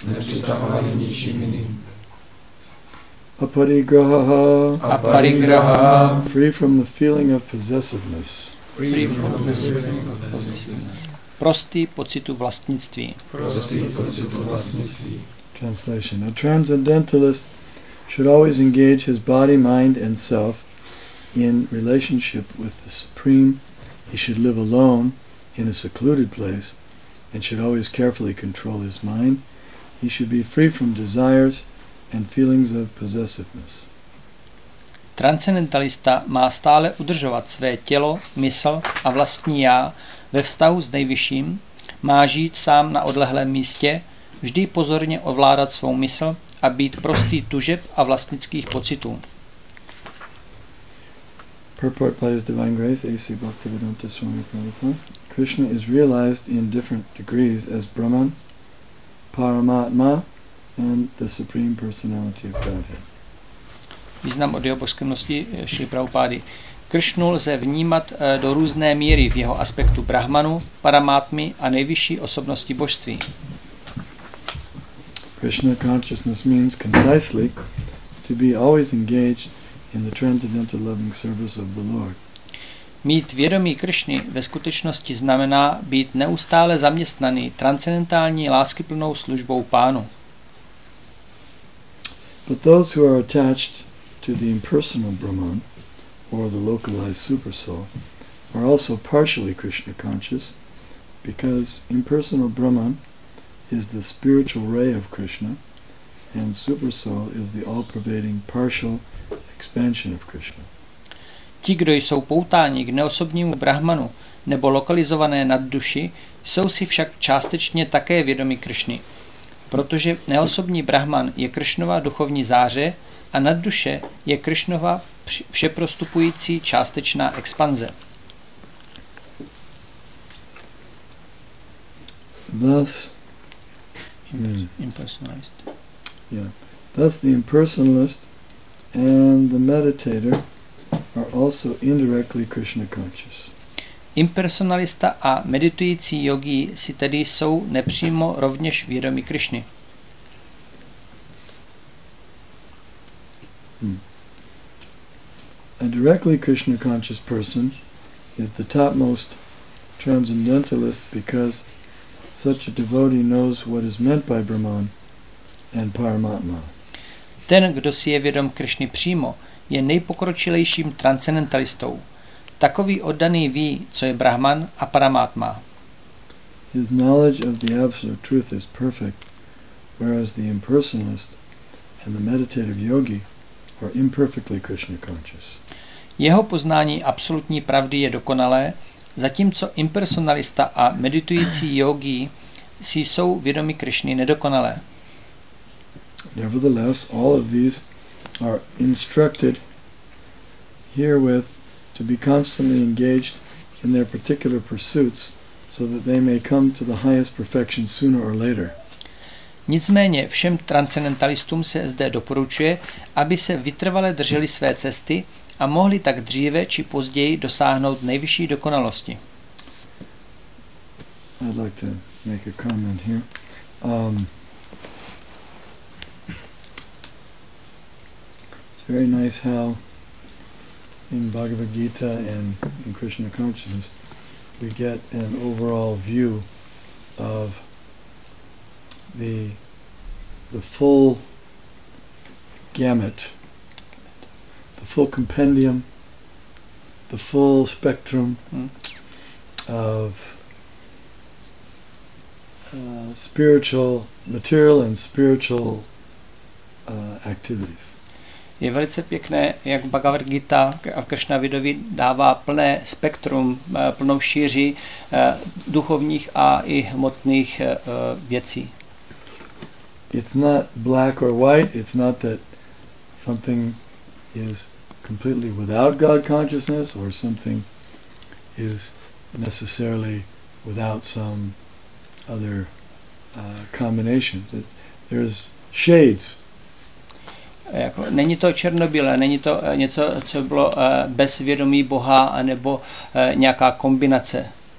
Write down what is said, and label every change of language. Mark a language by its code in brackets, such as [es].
[cs] Nepřitahovaný ničím jiným. [sa] Aparigraha. Aparigraha. [en] Free from the feeling of possessiveness. Free from the feeling of possessiveness. [cs] Prostý pocitu vlastnictví. Prostý pocitu vlastnictví. [en] Translation. A transcendentalist should always engage his body, mind and self in relationship with the Supreme. He should live alone in a secluded place and should always carefully control his mind. He should be free from desires and feelings of possessiveness. [cs] Transcendentalista má stále udržovat své tělo, mysl a vlastní já ve vztahu s nejvyšším, má žít sám na odlehlém místě, vždy pozorně ovládat svou mysl a být prostý tužeb a vlastnických pocitů. [en] Purport by His Divine Grace, A.C. Bhaktivedanta Swami Prabhupada. Krishna is realized in different degrees as Brahman, Paramatma, and the Supreme Personality of Godhead. [cs] Význam od jeho božskosti Šri Prabhupády. Krishnu lze vnímat do různé míry v jeho aspektu Brahmanu, Paramatmy a nejvyšší osobnosti božství. [en] Krishna consciousness means concisely to be always engaged in the transcendental loving service of the Lord. [cs] Mít vědomí Krishny ve skutečnosti znamená být neustále zaměstnaný transcendentální láskyplnou službou Pánu. [en] But those who are attached to the impersonal Brahman or the localized supersoul are also partially Krishna conscious because impersonal Brahman is the spiritual ray of Krishna and supersoul is the all-pervading partial expansion of Krishna. [cs] Ti, kdo jsou poutáni k neosobnímu Brahmanu nebo lokalizované nad duši, jsou si však částečně také vědomi Krishny. Protože neosobní Brahman je Krishnova duchovní záře a nad duše je Krishnova všeprostupující částečná expanze. [en] Thus, impersonalist. Yeah. Thus the impersonalist and the meditator are also indirectly Krishna conscious. [cs] Impersonalista a meditující yogi si tedy jsou nepřímo rovněž vědomi Krishny. [en] A directly Krishna conscious person is the topmost transcendentalist because such a devotee knows what is meant by Brahman and Paramatma. [cs] Ten, kdo si je vědom Krishny přímo, je nejpokročilejším transcendentalistou. Takový oddaný ví, co je Brahman a Paramatma. [en] His knowledge of the absolute truth is perfect, whereas the impersonalist and the meditative yogi are imperfectly Krishna conscious. [cs] Jeho poznání absolutní pravdy je dokonalé, zatímco impersonalista a meditující yogi si jsou vědomi Krishny nedokonalé. [en] Nevertheless, all of these are instructed herewith to be constantly engaged in their particular pursuits so that they may come to the highest perfection sooner or later. [cs] Nicméně všem transcendentalistům se zde doporučuje, aby se vytrvale drželi své cesty a mohli tak dříve či později dosáhnout nejvyšší dokonalosti. [en] I'd like to make a comment here. It's very nice how in Bhagavad Gita and in Krishna consciousness we get an overall view of the full gamut, the full compendium, the full spectrum of spiritual, material and spiritual activities. [cs] Je velice pěkné, jak Bhagavad Gita a Krishna Vidovi dává plné spektrum, plnou šíři duchovních a i hmotných věcí. [en] It's not black or white, it's not that something is completely without God consciousness or something is necessarily without some other combination. There's shades. [cs] Jako, není to černobílé, není to něco, co bylo bez vědomí Boha anebo nějaká kombinace.